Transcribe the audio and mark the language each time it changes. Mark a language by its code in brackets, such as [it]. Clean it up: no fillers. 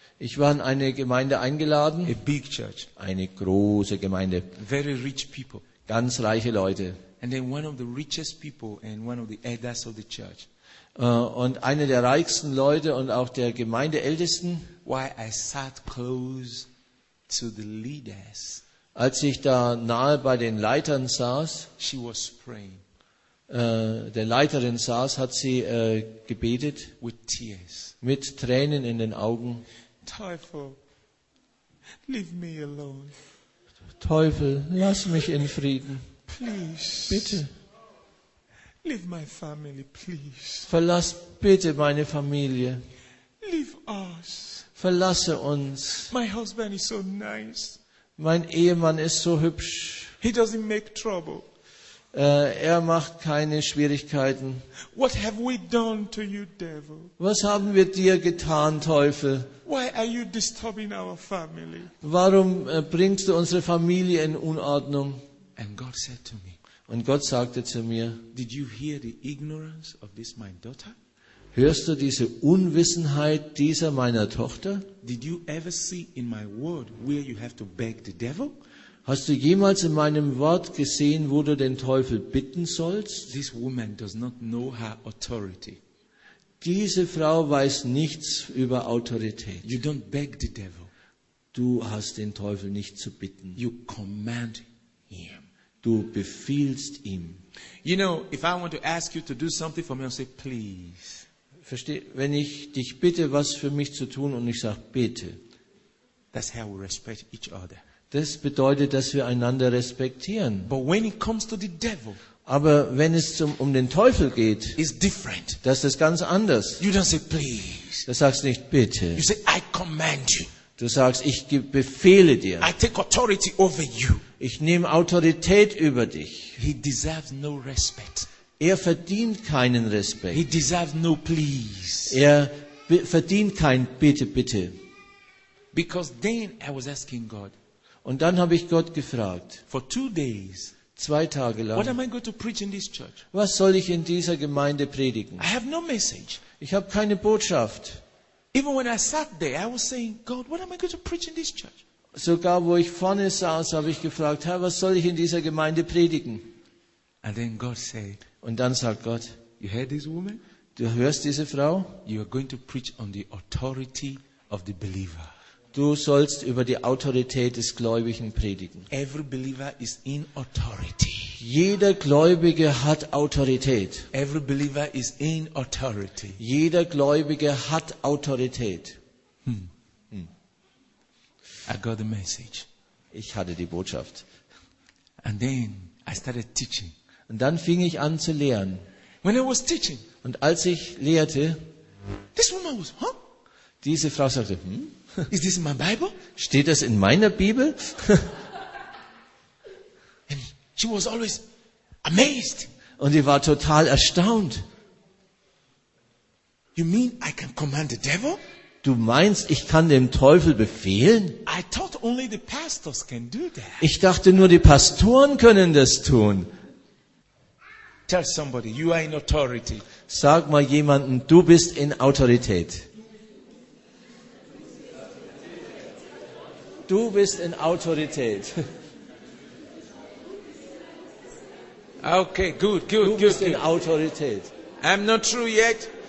[de] Ich war in eine Gemeinde eingeladen. [en] A big church. [de] Eine große Gemeinde. [en] Very rich people. [de] Ganz reiche Leute. [en] And then one of the richest people and one of the elders of the church. [de] Und einer der reichsten Leute und auch der Gemeindeältesten. [en] Why I sat close to the leaders. [de] Als ich da nahe bei den Leitern saß, [en] she was praying. [de] Der Leiterin saß, hat sie gebetet. [en] With tears. [de] Mit Tränen in den Augen. [en] Teufel, leave me alone. [de] Teufel, lass mich in Frieden. [en] Please. [de] Bitte. [en] Leave my family, please. [de] Verlass bitte meine Familie. [en] Leave us. [de] Verlasse uns. [en] My husband is so nice. [de] Mein Ehemann ist so hübsch. [en] He doesn't make trouble. [de] Er macht keine Schwierigkeiten. [en] What have we done to you, devil? [de] Was haben wir dir getan, Teufel? [en] Why are you disturbing our family? [de] Warum bringst du unsere Familie in Unordnung? [en] And God said to me, [de] und Gott sagte zu mir, [en] did you hear the ignorance of this, my daughter? [de] Hörst du diese Unwissenheit dieser meiner Tochter? [en] Did you ever see in my word where you have to beg the devil? [de] Hast du jemals in meinem Wort gesehen, wo du den Teufel bitten sollst? [en] This woman does not know her authority. [de] Diese Frau weiß nichts über Autorität. [en] You don't beg the devil. [de] Du hast den Teufel nicht zu bitten. [en] You command him. [de] Du befiehlst ihm. [en] You know, if I want to ask you to do something for me, I'll say please. [de] Versteh, wenn ich dich bitte, was für mich zu tun, und ich sag bitte. [en] That's how we respect each other. [de] Das bedeutet, dass wir einander respektieren. [en] But when it comes to the devil, [de] aber wenn es um den Teufel geht, [en] it's different. [de] Das ist ganz anders. [en] You don't say, please. [de] Du sagst nicht bitte. [en] You say, I command you. [de] Du sagst, ich befehle dir. [en] I take authority over you. [de] Ich nehme Autorität über dich. [en] He deserves no respect. [de] Er verdient keinen Respekt. [en] He deserves no please. [de] Er verdient kein bitte, bitte. [en] Because then I was asking God. [de] Und dann habe ich Gott gefragt, [en] for 2 days, [de] 2 Tage lang, [en] what am I going to preach in this church? [de] Was soll ich in dieser Gemeinde predigen? [en] I have no message. [de] Ich habe keine Botschaft. [en] Even when I sat there, I was saying, God, what am I going to preach in this church? [de] Sogar wo ich vorne saß, habe ich gefragt, Herr, was soll ich in dieser Gemeinde predigen? [en] And then God said, [de] und dann sagt Gott, [en] you heard this woman? [de] Du hörst diese Frau? [en] You are going to preach on the authority of the believer. [de] Du sollst über die Autorität des Gläubigen predigen. [en] Every believer is in authority. [de] Jeder Gläubige hat Autorität. [en] Every believer is in authority. [de] Jeder Gläubige hat Autorität. [en] I got the message. [de] ich hatte die Botschaft. [en] And then I started teaching. [de] Und dann fing ich an zu lehren. [en] When I was teaching, [de] und als ich lehrte, [en] this woman was, huh? [de] Diese Frau sagte, hm? [en] Is this in my Bible? [de] Steht das in meiner Bibel? [en] And she was always amazed. [de] Und sie war total erstaunt. [en] You mean I can command the devil? [de] Du meinst, ich kann dem Teufel befehlen? [en] I thought only the pastors can do that. [de] Ich dachte, nur die Pastoren können das tun. [en] Tell somebody, you are in authority. [de] Sag mal jemanden, du bist in Autorität. Du bist in Autorität. [en] Okay, good, good, good. [de] Du bist [en] good, [de] in [en] good. [de] Autorität. [en] I'm not true yet.